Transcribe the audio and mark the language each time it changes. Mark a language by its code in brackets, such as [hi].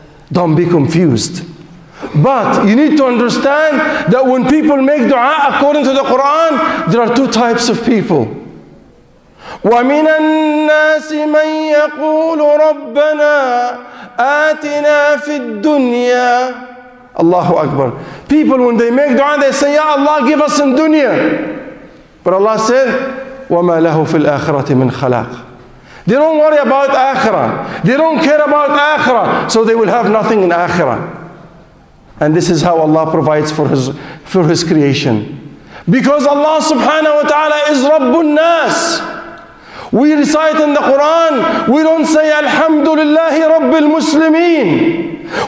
[en] Don't be confused. But you need to understand that when people make dua according to the Quran, there are two types of people. [ar] وَمِنَ النَّاسِ مَنْ يَقُولُ رَبَّنَا آتِنَا فِي الدُّنْيَا. Allahu Akbar. [en] People, when they make dua, they say, Ya Allah, give us in dunya. But Allah said, [ar] وَمَا لَهُ فِي الْآخِرَةِ مِنْ خَلَاقٍ. [en] They don't worry about akhirah. They don't care about akhirah. So they will have nothing in akhirah. And this is how Allah provides for his creation. Because Allah subhanahu wa ta'ala is Rabbun Nas. We recite in the Quran, we don't say Alhamdulillahi Rabbil Muslimin.